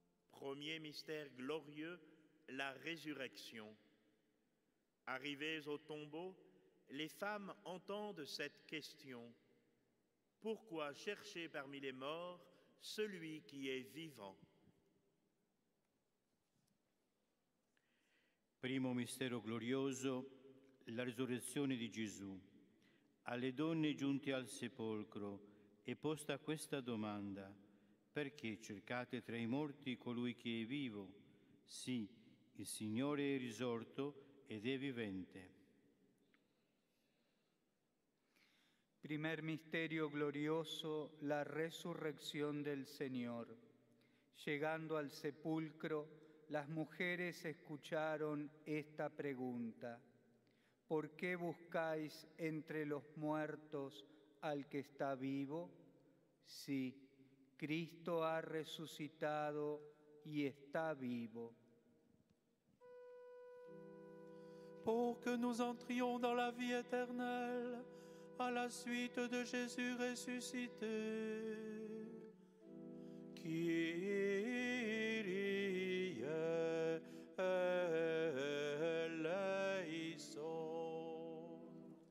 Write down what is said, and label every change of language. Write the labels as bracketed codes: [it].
[fr] Premier mystère glorieux, la résurrection. Arrivées au tombeau, les femmes entendent cette question. Pourquoi chercher parmi les morts celui qui est vivant? [it] Primo mistero glorioso, la resurrezione di Gesù. Alle donne giunte al sepolcro è posta questa domanda: perché cercate tra i morti colui che è vivo? Sì, il Signore è risorto ed è vivente. [es] Primer misterio glorioso, la resurrección del Señor. Llegando al sepulcro, las mujeres escucharon esta pregunta: ¿por qué buscáis entre los muertos al que está vivo? Sí, Cristo ha resucitado y está vivo. [fr] Pour que nous entrions dans la vie éternelle, à la suite de Jésus ressuscité, Kyrie eleison.